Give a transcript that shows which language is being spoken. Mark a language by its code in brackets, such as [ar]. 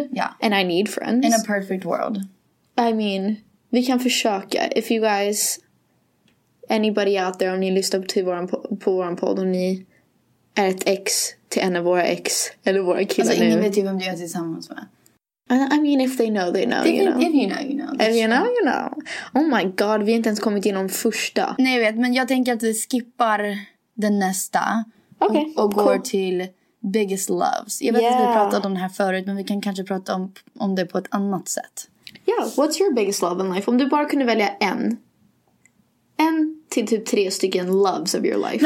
[en] Yeah. And I need friends. In a perfect world. I mean, [sv] vi kan försöka. [en] If you guys, anybody out there, [sv] om ni lyssnar till våran, på våran podd och ni är ett ex till en av våra ex. Eller våra killar alltså, nu. Alltså ingen vet ju vem du är tillsammans med. [en] I mean if they know, they know, they, you know. If you know, you know. If you know, you know. Oh my god, [sv] vi har inte ens kommit igenom första. Nej, jag vet. Men jag tänker att vi skippar den nästa. [en] Okay, [sv] och går till biggest loves. Jag vet att vi pratade om det här förut. Men vi kan kanske prata om det på ett annat sätt. [en] Ja, yeah. What's your biggest love in life? [sv] Om du bara kunde välja en. En till typ 3 stycken [en] loves of your life.